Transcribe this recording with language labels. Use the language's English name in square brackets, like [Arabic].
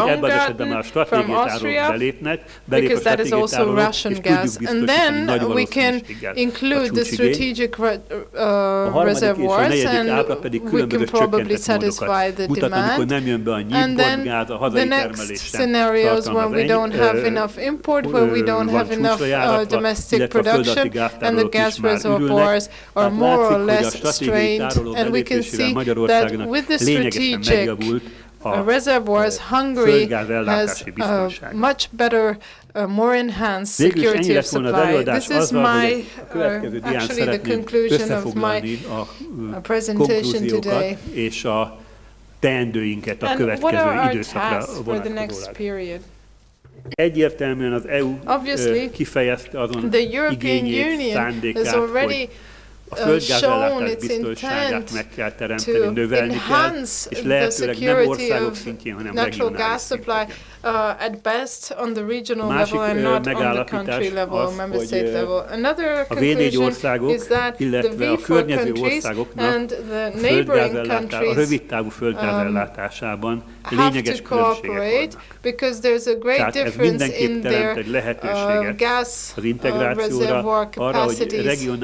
[Hungarian] hogy ebben az esetben már a stratégiai tárolók belépnek, belép a stratégiai tárolók, és tudjuk biztosítani nagy valószínűséggel a csúcsigény. A harmadik és a negyedik ábra pedig különböző csökkentett módokat mutat, amikor nem jön be a nyitott gáz a hazai termelésre. [English] Scenarios when we don't have enough import, when we don't have enough domestic production, and the gas reservoirs are more or less strained, and we can see that with the strategic reservoirs, Hungary has a much better, more enhanced security of supply. This is my, actually the conclusion of my presentation today. [Hungarian] Teendőinket a következő időszakra vonatkozóan. Egyértelműen az EU kifejezte azon igényét, szándékát, hogy a földgázellátás biztonságát meg kell teremteni, növelni kell, és lehetőleg nem országok szintjén, hanem regionális szinten. [English] At best on the regional level and not on the country level, member state level. Another conclusion is that the V4 countries and the neighboring countries have to cooperate because there's a great difference in their gas reservoir capacities.